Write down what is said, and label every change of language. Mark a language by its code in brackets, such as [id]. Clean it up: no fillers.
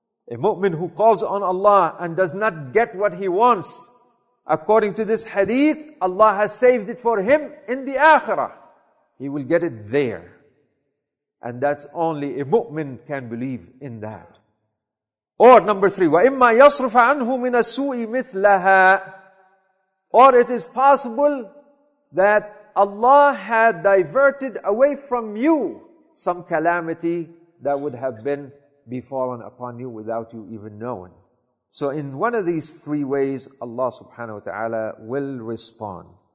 [en] A mu'min who calls on Allah and does not get what he wants, According to this hadith, Allah has saved it for him in the Akhirah. He will get it there. And that's only a mu'min can believe in that. [ar] Or number three, وَإِمَّا يَصْرُفَ عَنْهُ مِنَ السُّوءِ مِثْلَهَا. [en] Or it is possible that Allah had diverted away from you some calamity that would have been befallen upon you without you even knowing. So in one of these three ways, Allah subhanahu wa ta'ala will respond.